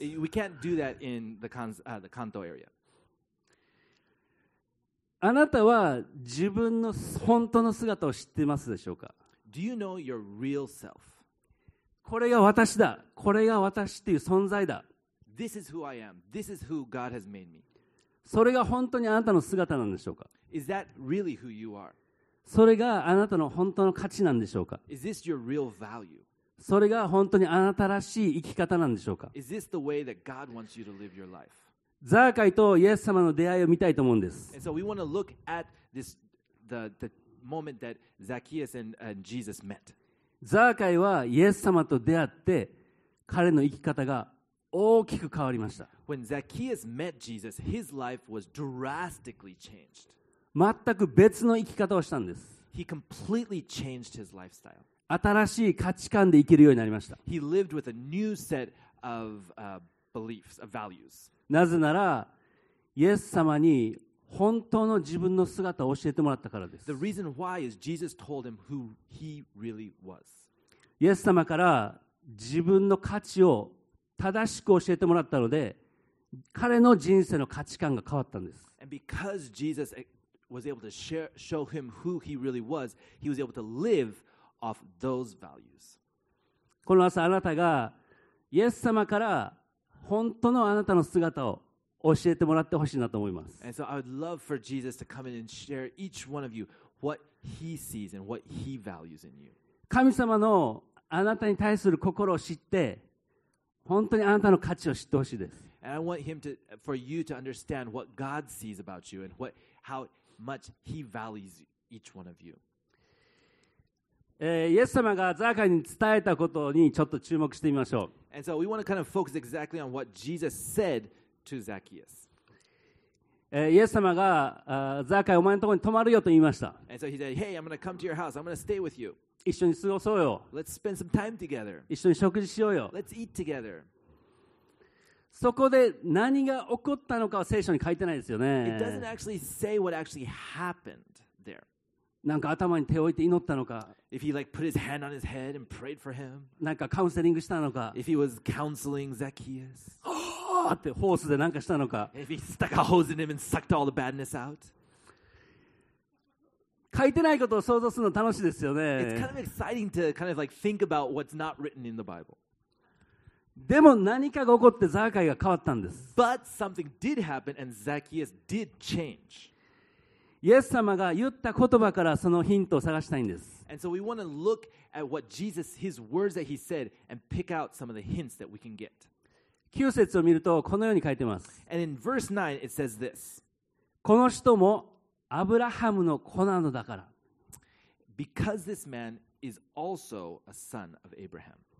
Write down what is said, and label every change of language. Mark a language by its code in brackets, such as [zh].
[en] We can't do that in the Kanto area. [ja] あなたは自分の本当の姿を知ってますでしょうか? [en] Do you know your real self? [ja] これが私だ。これが私っていう存在だ。 [en] This is who I am. This is who God has made me. [ja] それが本当にあなたの姿なんでしょうか? [en] Is that really who you are? [ja] それがあなたの本当の価値なんでしょうか? [en] Is this your real value? [ja] それが本当にあなたらしい生き方なんでしょうか? [en] Is this the way that God wants you to live your life? [ja] ザーカイとイエス様の出会いを見たいと思うんです。 [en] And so we want to look at this, the moment that Zacchaeus and Jesus met. [ja] ザーカイはイエス様と出会って彼の生き方が大きく変わりました。 [en] When Zacchaeus met Jesus, his life was drastically changed. [ja] 全く別の生き方をしたんです。 [en] He completely changed his lifestyle. [ja] 新しい価値観で生きるようになりました。 [en] He lived with a new set of beliefs, of values. [ja] なぜならイエス様に本当の自分の姿を教えてもらったからです。 [en] The reason why is Jesus told him who he really was. [ja] イエス様から自分の価値を正しく教えてもらったので、彼の人生の価値観が変わったんです。 [en] And because Jesus was able to show him who he really was, he was able to live off those values. [ja] この朝あなたがイエス様から本当のあなたの姿を教えてもらってほしいなと思います。 [en] And so I would love for Jesus to come in and share each one of you what he sees and what he values in you. [ja] 神様のあなたに対する心を知って、本当にあなたの価値を知ってほしいです。 [en] And I want him to, for you to understand what God sees about you and what, how much he values each one of you. [ja] イエス様がザーカイに伝えたことにちょっと注目してみましょう。 [en] And so we want to kind of focus exactly on what Jesus said. To Zacchaeus. [ja] イエス様がザーカイお前のところに泊まるよと言いました。 [en] And so he said, "Hey, I'm going to come to your house. I'm going to stay with you." [ja] 一緒に過ごそうよ。 [en] Let's spend some time together. [ja] 一緒に食事しようよ。 [en] Let's eat together. [ja] そこで何が起こったのかは聖書に書いてないですよね。 [en] It doesn't actually say what actually happened there. [ja] なんか頭に手を置いて祈ったのか。 [en] If he like put his hand on his head and prayed for him. [ja] なんかカウンセリングしたのか。 [en] If he was counseling Zacchaeus. [ja] ってホースで何かしたのか。 [en] If he stuck a hose in him and sucked all the badness out. [ja] 書いてないことを想像するの楽しいですよね。 [en] It's kind of exciting to kind of like think about what's not written in the Bible. [ja] でも何かが起こってザーカイが変わったんです。 [en] But something did happen and Zacchaeus did change. [ja] イエス様が言った言葉からそのヒントを探したいんです。 [en] And so we want to look at what Jesus, his words that he said, and pick out some of the hints that we can get. [ja] 9節を見るとこのように書いてます。 [en] And in verse 9, it says this. [ja] この人もアブラハムの子なのだから。 [en] Because this man is also a son of Abraham.